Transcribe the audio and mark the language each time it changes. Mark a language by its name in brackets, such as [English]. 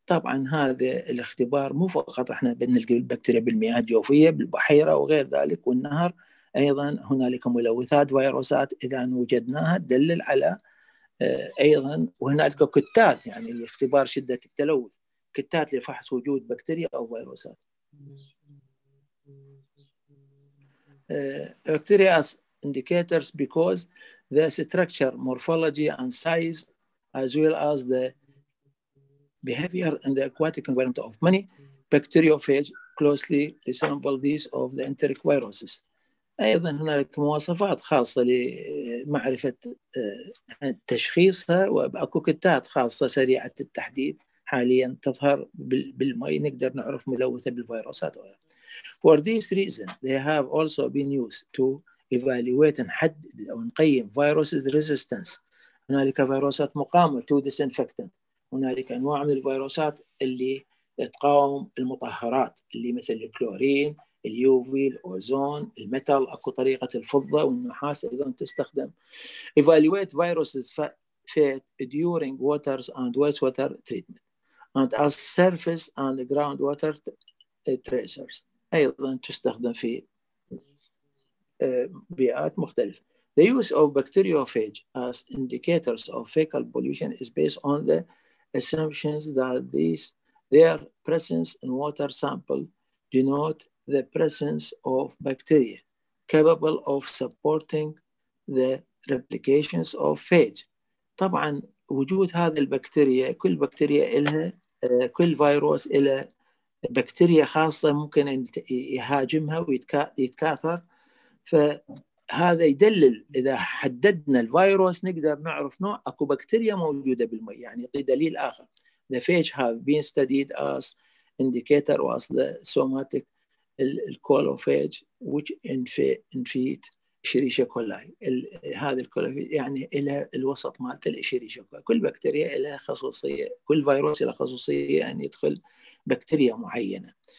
[Arabic] طبعا هذا الاختبار مو فقط احنا بنلقى البكتيريا بالمياه الجوفية بالبحيرة وغير ذلك والنهر، ايضا هنالك ملوثات فيروسات اذا وجدناها تدلل على ايضا، وهنالك كتات يعني الاختبار شدة التلوث، كتات لفحص وجود بكتيريا او فيروسات. [English] Bacteria as indicators because the structure, morphology and size as well as the behavior in the aquatic environment of many bacteriophage closely resemble these of the enteric viruses. [Arabic] أيضا هناك مواصفات خاصة لمعرفة تشخيصها، وأكوكتات خاصة سريعة التحديد حاليا تظهر بالماء نقدر نعرف ملوثة بالفيروسات وغيرها. [English] For this reason, they have also been used to evaluate and [Arabic] حدد أو نقيم [English] viruses resistance. [Arabic] هناك فيروسات مقاومة [English] to disinfectant. [Arabic] هناك أنواع من الفيروسات اللي تقاوم المطهرات اللي مثل الكلورين، اليوفي، الأوزون، الميتال، أكو طريقة الفضة والنحاس أيضا تستخدم. [English] Evaluate viruses during waters and wastewater treatment and as surface and groundwater tracers. [Arabic] أيضا تستخدم في بيئات مختلفة. [English] The use of bacteriophage as indicators of fecal pollution is based on the assumptions that their presence in water sample denote the presence of bacteria capable of supporting the replications of phage. [Arabic] طبعا وجود هذه البكتيريا، كل بكتيريا إلها، كل فيروس إلها بكتيريا خاصة ممكن أن يهاجمها ويتكاثر، فهذا يدلل إذا حددنا الفيروس نقدر نعرف نوع أكو بكتيريا موجودة بالماء، يعني يعطي دليل آخر. [English] The phage have been studied as indicator was the somatic colophage which infect Escherichia coli. [Arabic] هذا الكولوفيج يعني إلى الوسط مالت الإشيريشيا كولاي. كل بكتيريا إلها خصوصية، كل فيروس إلها خصوصية أن يعني يدخل بكتيريا معينة.